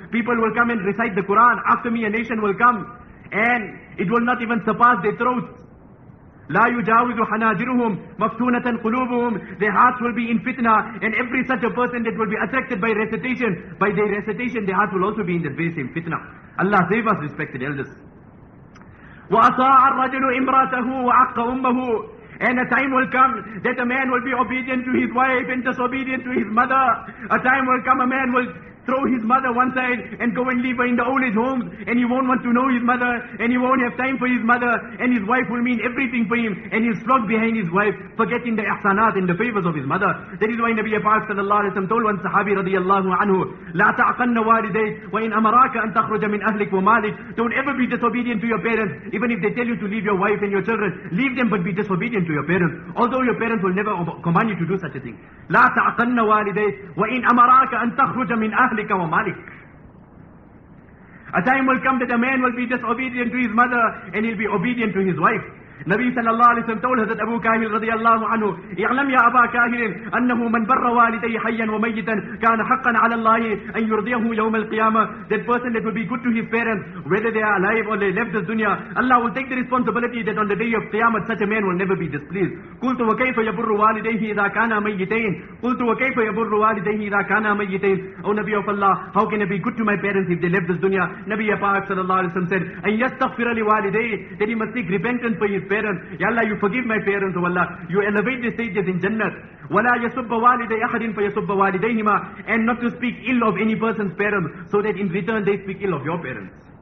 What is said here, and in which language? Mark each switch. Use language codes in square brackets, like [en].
[en] People will come and recite the Quran. After me a nation will come and it will not even surpass their throats. [ar] لا يجاوز حناجرهم مفتونة قلوبهم. [en] Their hearts will be in fitna, and every such a person that will be attracted by recitation, by their recitation, their hearts will also be in the very same fitna. Allah save us, respected elders. [ar] وأطاع الرجل امرأته وعق أمه. [en] And a time will come that a man will be obedient to his wife and disobedient to his mother. A time will come a man will throw his mother one side and go and leave her in the old age homes, and he won't want to know his mother, and he won't have time for his mother, and his wife will mean everything for him, and he'll flog behind his wife, forgetting the ihsanat and the favors of his mother. That is why Nabi Paak sallallahu alayhi wa sallam told one sahabi radiallahu anhu, [ar] لا تعقن والديك وإن أمراك أن تخرج من أهلك ومالك. [en] Don't ever be disobedient to your parents, even if they tell you to leave your wife and your children. Leave them, but be disobedient to your parents, although your parents will never command you to do such a thing. [ar] لا تعقن والديك وإن أمراك أن تخرج من أهلك. [en] A time will come that a man will be disobedient to his mother and he'll be obedient to his wife. Nabi sallallahu alayhi wa sallam told Hazrat Abu Kahil radiallahu anhu, [ar] اعلم يا أبا كاهل أنه من بر والدي حيا وميتا كان حقا على الله أن يرضيه يوم القيامة. [en] That person that will be good to his parents, whether they are alive or they left this dunya, Allah will take the responsibility that on the day of Qiyamah such a man will never be displeased. [ar] قلت وكيف يبر والديه إذا كان ميتين. قلت وكيف يبر والديه إذا كان ميتين. [en] Oh Nabi of Allah, how can I be good to my parents if they left this dunya? Nabi Paak sallallahu alayhi wa sallam said, [ar] أن يستغفر لوالديه. [en] That he must seek repentance for his parents. Ya Allah, you forgive my parents, O Allah. You elevate the stages in Jannat. [ar] وَلَا يَسُبَّ وَالِدَيْ أَحَدٍ فَيَسُبَّ وَالِدَيْهِمَا. [en] And not to speak ill of any person's parents, so that in return they speak ill of your parents.